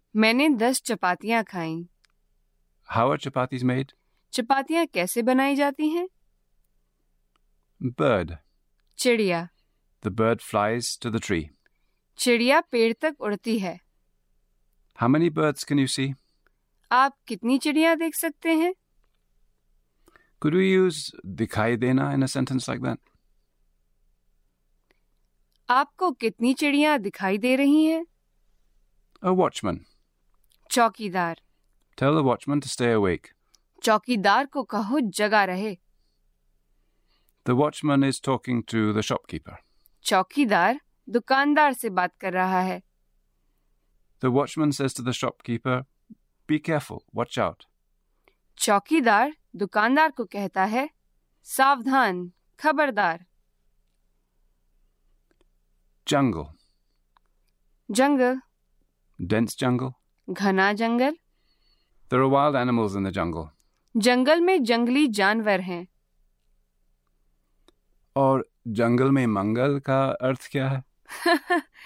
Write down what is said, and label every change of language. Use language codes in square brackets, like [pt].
[hi] Maine 10 chapatiyan khayi. [en] How are chapatis made? [hi] Chapatiyan kaise banayi jati hain? [en] Bird. [hi] Chidiya. [en] The bird flies to the tree. [hi] Chidiya ped tak udti hai. [en] How many birds can you see? [hi] आप कितनी चिड़िया देख सकते हैं? [en] Could we use दिखाई देना in a sentence like that? [hi] आपको कितनी चिड़िया दिखाई दे रही हैं? [en] A watchman. [hi] चौकीदार. [en] Tell the watchman to stay awake. [hi] चौकीदार को कहो जगा रहे. [en] The watchman is talking to the shopkeeper. [hi] चौकीदार दुकानदार से बात कर रहा है. [en] The watchman says to the shopkeeper, Be careful, watch out. [hi] चौकीदार दुकानदार को कहता है, सावधान, खबरदार. [en] Jungle. [hi] Jungle. [en] Dense jungle. [hi] घना जंगल. [en] There are wild animals in the jungle. [hi] जंगल में जंगली जानवर हैं. और जंगल में मंगल का अर्थ क्या है?